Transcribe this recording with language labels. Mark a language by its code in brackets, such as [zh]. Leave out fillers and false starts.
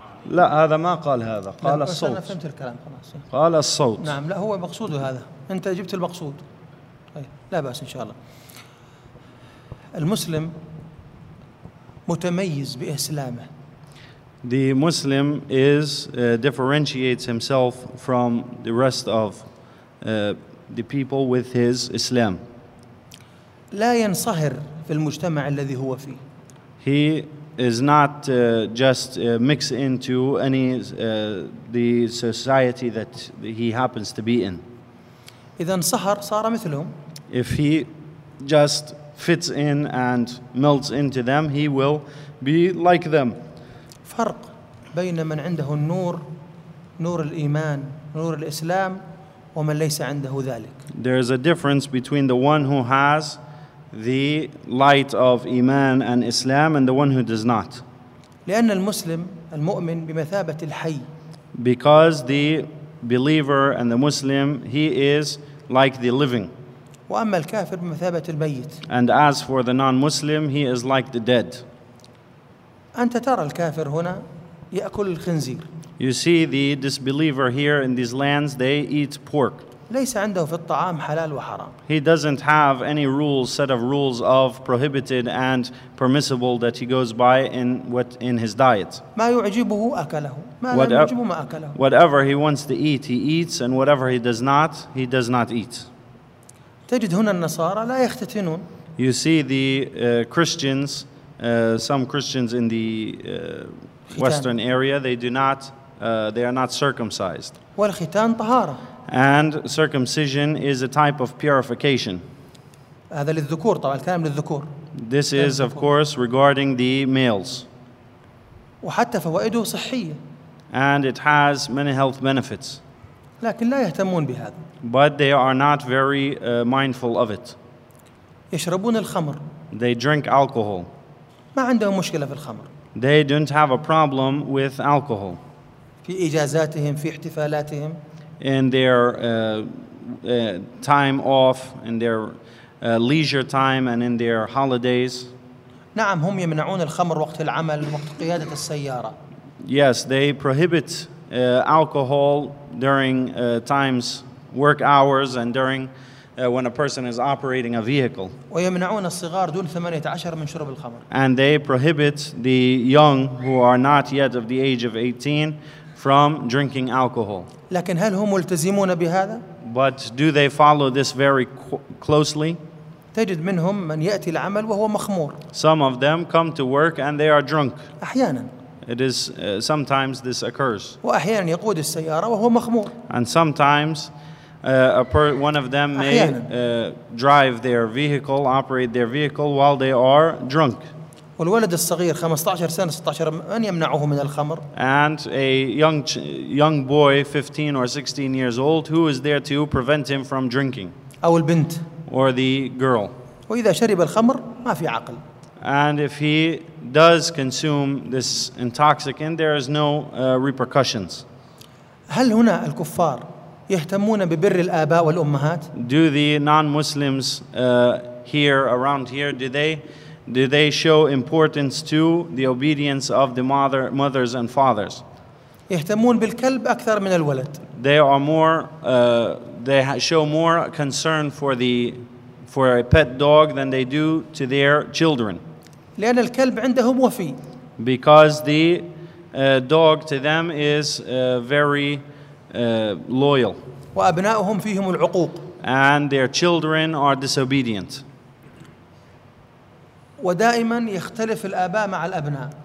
[ar] لا هذا ما قال هذا قال الصوت أنا فهمت الكلام خلاص قال الصوت نعم لا هو مقصوده هذا أنت جبت المقصود لا بأس إن شاء الله المسلم متميز بإسلامه [en] The Muslim is differentiates himself from the rest of the people with his Islam. [ar] لا ينصهر في المجتمع الذي هو فيه. [en] He is not just mixed into any the society that he happens to be in. [ar] إذا انصهر صار مثلهم. [en] If he just fits in and melts into them, he will be like them. [ar] فرق. بين من عنده النور نور الإيمان نور الإسلام ومن ليس عنده ذلك [en] There is a difference between the one who has the light of Iman and Islam and the one who does not [ar] لأن المسلم المؤمن بمثابة الحي [en] Because the believer and the Muslim he is like the living [ar] وأما الكافر بمثابة الميت [en] And as for the non-Muslim he is like the dead [ar] أنت ترى الكافر هنا يأكل الخنزير. [en] You see the disbeliever here in these lands, they eat pork. [ar] ليس عنده في الطعام حلال وحرام. [en] He doesn't have any rules, set of rules of prohibited and permissible that he goes by in what in his diet. [ar] ما يعجبه أكله. ما يعجبه ما أكله. [en] Whatever he wants to eat, he eats, and whatever he does not, he does not eat. [ar] تجد هنا النصارى لا يختتنون. [en] You see the Christians, some Christians in the Western area, they do not, they are not circumcised. [ar] والختان طهارة. [en] And circumcision is a type of purification. [ar] هذا للذكور طبعا الكلام للذكور. [en] This is of course regarding the males. [ar] وحتى فوائده صحية. [en] And it has many health benefits. [ar] لكن لا يهتمون بهذا. [en] But they are not very mindful of it. [ar] يشربون الخمر. [en] They drink alcohol. [ar] ما عندهم مشكلة في الخمر. [en] They don't have a problem with alcohol. [ar] في إجازاتهم في احتفالاتهم. [en] In their time off, in their leisure time, and in their holidays. [ar] نعم هم يمنعون الخمر وقت العمل وقت قيادة السيارة. [en] Yes, they prohibit alcohol during times work hours and during when a person is operating a vehicle. [ar] ويمنعون الصغار دون 18 من شرب الخمر. [en] And they prohibit the young who are not yet of the age of 18 from drinking alcohol. [ar] لكن هل هم ملتزمون بهذا؟ [en] But do they follow this very closely? [ar] تجد منهم من يأتي العمل وهو مخمور. [en] Some of them come to work and they are drunk. [ar] أحيانا. [en] It is sometimes this occurs. [ar] وأحيانا يقود السيارة وهو مخمور. [en] And sometimes one of them may drive their vehicle, operate their vehicle while they are drunk. [ar] والولد الصغير 15 سنة 16 من يمنعه من الخمر؟ [en] And a young boy 15 or 16 years old, who is there to prevent him from drinking? [ar] أو البنت. [en] Or the girl. [ar] وإذا شرب الخمر ما في عقل. [en] And if he does consume this intoxicant, there is no repercussions. [ar] هل هنا الكفار يهتمون ببر الآباء والأمهات؟ [en] Do the non-Muslims here around here? Do they show importance to the obedience of the mothers and fathers? [ar] يهتمون بالكلب أكثر من الولد. [en] They are more. They show more concern for a pet dog than they do to their children. [ar] لأن الكلب عندهم وفي. [en] Because the dog to them is very loyal. [ar] وأبنائهم فيهم العقوق. [en] And their children are disobedient. [ar] ودائما يختلف الآباء مع الأبناء.